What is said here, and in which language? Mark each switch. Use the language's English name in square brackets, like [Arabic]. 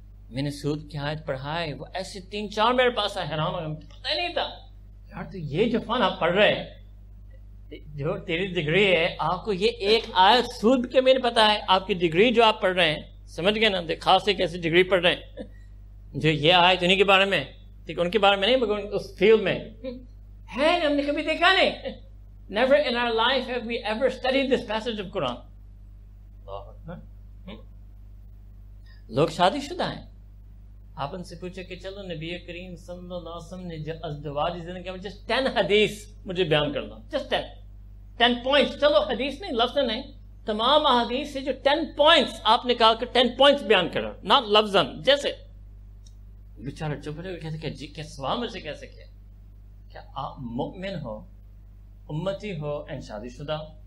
[Urdu] میں نے سود کی آیت پڑھائے, وہ ایسے تین چار میرے پاس آئے, حیران ہوئے, پتہ نہیں تھا یار تو یہ جو فن آپ پڑھ رہے ہیں, جو تیری ڈگری ہے, آپ کو یہ ایک آیت سود کے میں نے پتا ہے, آپ کی ڈگری جو آپ پڑھ رہے ہیں, سمجھ گئے نا, خاص ایک ایسی ڈگری پڑھ رہے ہیں جو یہ آیت انہیں کے بارے میں, ٹھیک ہے, ان کے بارے میں نہیں مگر اس فیلڈ میں ہے, ہم نے کبھی دیکھا نہیں. [English] Never in our life have we ever studied this passage of Quran. [Urdu] لوگ شادی شدہ ہیں, آپ ان سے پوچھے کہ چلو نبی کریم صلی اللہ علیہ وسلم نے جو ازدواجی زندگی میں جسٹ 10 حدیث مجھے بیان کر لو, جسٹ 10 پوائنٹس, چلو حدیث نہیں لفظ نہیں, تمام احادیث سے جو 10 پوائنٹس آپ نکال کر 10 پوائنٹس بیان کرو, ناٹ لفظ, جیسے بےچارا چپ رہے کہتے کہ جی کیا سوال مجھے کیسے کیا, کیا آپ مؤمن ہو, امتی ہو اینڈ شادی شدہ,